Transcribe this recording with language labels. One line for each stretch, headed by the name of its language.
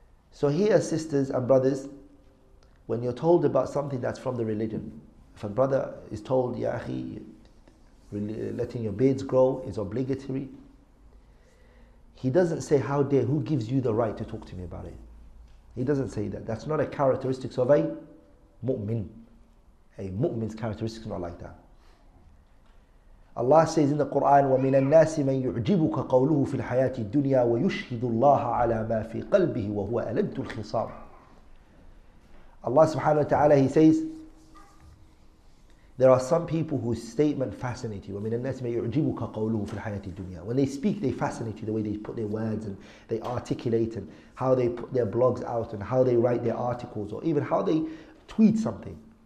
English: So here, sisters and brothers, when you're told about something that's from the religion, if a brother is told, Ya akhi, letting your beards grow is obligatory, he doesn't say, how dare, who gives you the right to talk to me about it? He doesn't say that. That's not a characteristic of a mu'min. A mu'min's characteristics are not like that. Allah says in the Quran,
Arabic: وَمِنَ النَّاسِ مَنْ يُعْجِبُكَ قَوْلُهُ فِي الْحَيَاةِ الدُّنْيَا وَيُشْهِدُ اللَّهَ عَلَى مَا فِي قَلْبِهِ وَهُوَ أَلَدُّ الْخِصَامِ.
English: Allah subhanahu wa ta'ala, He says, there are some people whose statement fascinate you.
Arabic: وَمِنَ النَّاسِ مَنْ يُعْجِبُكَ قَوْلُهُ فِي الْحَيَاةِ الدُّنْيَا.
English: When they speak, they fascinate you, the way they put their words and they articulate and how they put their blogs out and how they write their articles or even how they tweet something.